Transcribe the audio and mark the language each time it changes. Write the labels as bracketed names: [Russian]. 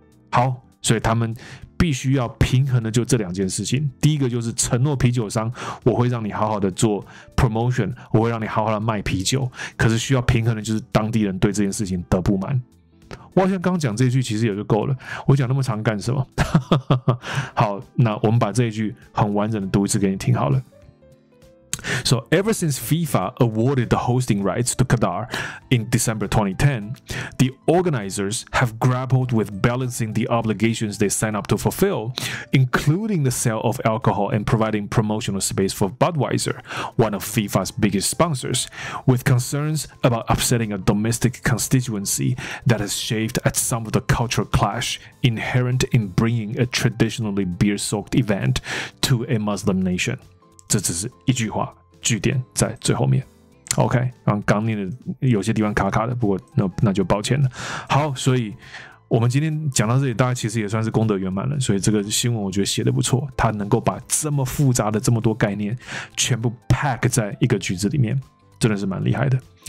[Chinese] 好，所以他们必须要平衡的就这两件事情，第一个就是承诺啤酒商，我会让你好好的做 promotion， 我会让你好好的卖啤酒，可是需要平衡的就是当地人对这件事情的不满。我好像刚讲这句其实也就够了，我讲那么长干什么？好，那我们把这一句很完整的读一次给你听好了。 [English] So ever since FIFA awarded the hosting rights to Qatar in December 2010, the organizers have grappled with balancing the obligations they sign up to fulfill, including the sale of alcohol and providing promotional space for Budweiser, one of FIFA's biggest sponsors, with concerns about upsetting a domestic constituency that has shaved at some of the cultural clash inherent in bringing a traditionally beer-soaked event to a Muslim nation. [Chinese] 这只是一句话，句点在最后面。OK， 刚念的有些地方卡卡的，不过 那就抱歉了。好，所以我们今天讲到这里，大家其实也算是功德圆满了。所以这个新闻我觉得写得不错，它能够把这么复杂的这么多概念全部 pack 在一个句子里面，真的是蛮厉害的。